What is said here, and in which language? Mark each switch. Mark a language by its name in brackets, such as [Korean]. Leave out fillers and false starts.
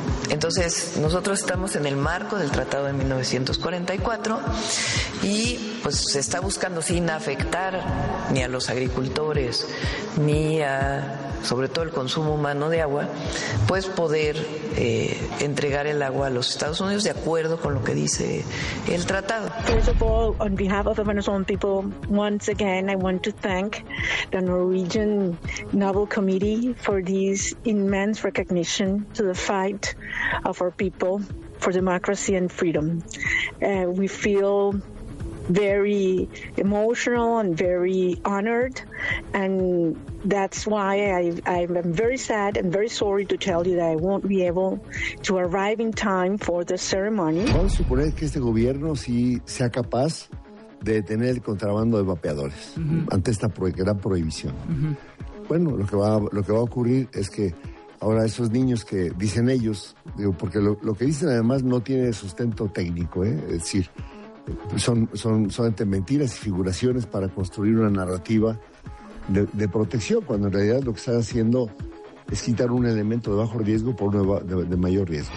[Spanish] Entonces, nosotros estamos en el marco del tratado de 1944 y pues se está buscando sin afectar ni a los agricultores ni a, sobre todo, el consumo humano de agua, pues poder entregar el agua a los Estados Unidos de acuerdo con lo que dice el tratado. [English] First of all, on behalf of the Venezuelan people, once again, I want to thank the Norwegian Nobel Committee for this immense recognition to the fight of our people for democracy and freedom. We feel very emotional and very honored, and that's why I am very sad and very sorry to tell you that I won't be able to arrive in time for the ceremony. [Spanish] Vamos a suponer que este gobierno sí sea capaz de detener el contrabando de vapeadores ante esta gran prohibición. Bueno, lo que va a ocurrir es que ahora esos niños que dicen ellos, digo, porque lo que dicen además no tiene sustento técnico, es decir, son entre mentiras y figuraciones para construir una narrativa de protección, cuando en realidad lo que están haciendo es quitar un elemento de bajo riesgo por uno de mayor riesgo.